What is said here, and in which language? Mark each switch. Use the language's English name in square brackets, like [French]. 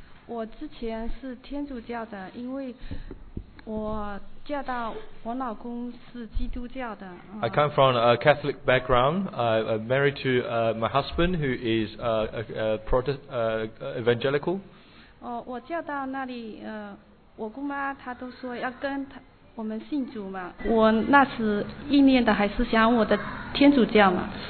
[Chinese] 我之前是天主教的，因为我嫁到我老公是基督教的。 [English] I come from a Catholic background. I'm married to my husband who is evangelical. [Chinese] 我嫁到那里，我姑妈她都说要跟她。我们信主嘛，我那时意念的还是想我的天主教嘛。